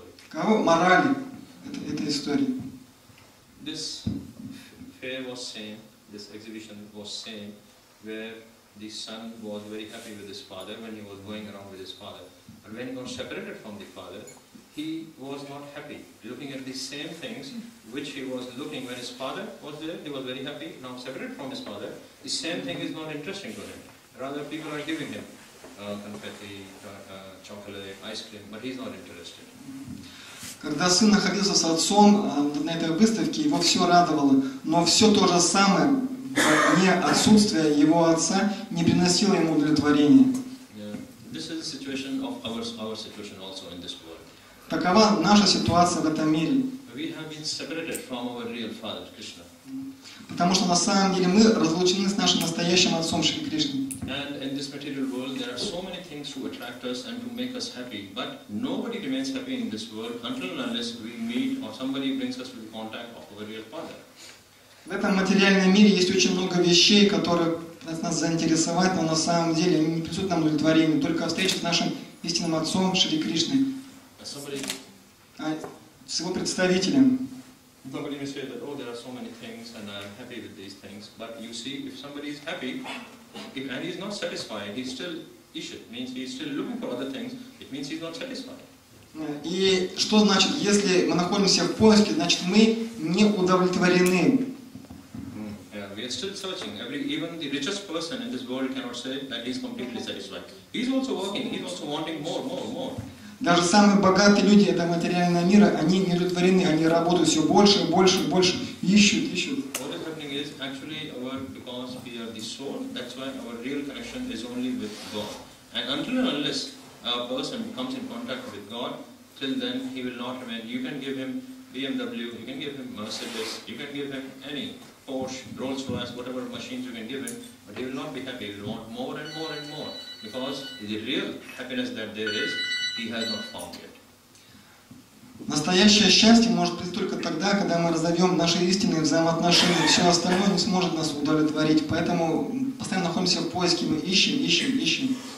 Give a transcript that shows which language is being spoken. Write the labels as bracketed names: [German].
[Russian] Каково морали этой истории? [English] This fair was same, this exhibition was same, where the son was very happy with his father when he was going around with his father. But when he got separated from the father, he was not happy. Looking at the same things which he was looking when his father was there, he was very happy. Now separated from his father, the same thing is not interesting to him. Rather, people are giving him confetti, chocolate, ice cream, but he's not interested. [Russian] Когда сын находился с отцом на этой выставке, его все радовало, но все то же самое, не отсутствие его отца, не приносило ему удовлетворения. [English] This is the situation of our situation also in this world. [Russian] Такова наша ситуация в этом мире. [English] We have been separated from our real father, Krishna. [Russian] Потому что на самом деле мы разлучены с нашим настоящим отцом Шри Кришной. [English] And in this material world there are so many things to attract us and to make us happy, but nobody remains happy in this world until and unless we meet or somebody brings us into contact of our real father. [Russian] В этом материальном мире есть очень много вещей, которые нас заинтересовать, но на самом деле они не принесут нам удовлетворения, только встреча с нашим истинным отцом Шри Кришной. С его представителем. [English] Somebody may say that, oh, there are so many things and I'm happy with these things. But you see, if somebody is happy, if, and he's not satisfied, he's still ishit, means he's still looking for other things, it means he's not satisfied. [Russian] И что значит, если мы находимся в поиске, значит мы не удовлетворены. [English] We are still searching. Even the richest person in this world cannot say that he is completely satisfied. He is also working. He is also wanting more. [Russian] Даже самые богатые люди этого материального мира, они не удовлетворены, они работают все больше, ищут. [English] What is happening is actually because we are the soul. That's why our real connection is only with God. And until and unless a person comes in contact with God, till then he will not remain. You can give him BMW. You can give him Mercedes. You can give him any. Porsche, Rolls Royce, whatever machines you can give him, but he will not be happy. He will want more, because the real happiness that there is, he has not found yet. [Russian] Настоящее счастье может быть только тогда, когда мы разовьем наши истинные взаимоотношения. Все остальное не сможет нас удовлетворить. Поэтому постоянно находимся в поиске, мы ищем.